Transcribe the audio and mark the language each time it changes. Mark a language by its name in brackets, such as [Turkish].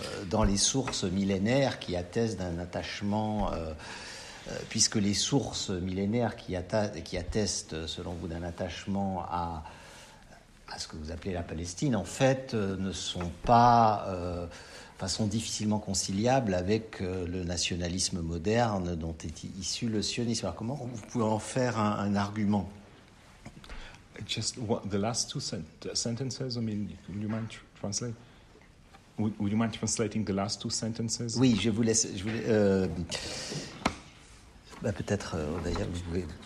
[French] Dans les sources millénaires qui attestent d'un attachement, puisque les sources millénaires qui attestent, selon vous, d'un attachement à ce que vous appelez la Palestine, en fait, ne sont pas, sont difficilement conciliables avec le nationalisme moderne dont est issu le sionisme. Alors, comment vous pouvez en faire un argument? [English] Just the last two sentences. I mean, you mind translate? Would you mind translating the last two sentences? [French] Oui, je vous laisse. Je vous laisse peut-être, d'ailleurs, vous pouvez.